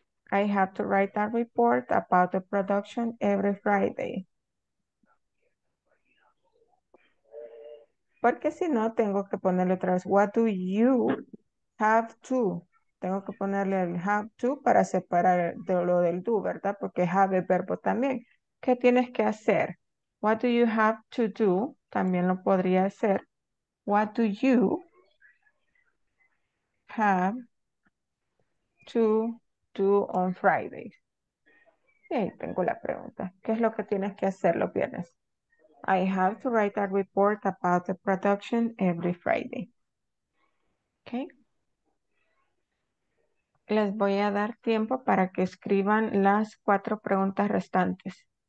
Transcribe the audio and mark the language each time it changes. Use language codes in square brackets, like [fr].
[en] I have to write a report about the production every Friday. [es] Porque si no, tengo que ponerle otra vez. [en] What do you have to? [es] Tengo que ponerle el [en] have to [es] para separar de lo del do, ¿verdad? Porque have es verbo también. ¿Qué tienes que hacer? [en] What do you have to do? [es] También lo podría hacer. [en] What do you have to do on Friday? [es] Y ahí tengo la pregunta. ¿Qué es lo que tienes que hacer los viernes? [en] I have to write a report about the production every Friday. Okay. [es] Les voy a dar tiempo para que escriban las cuatro preguntas restantes.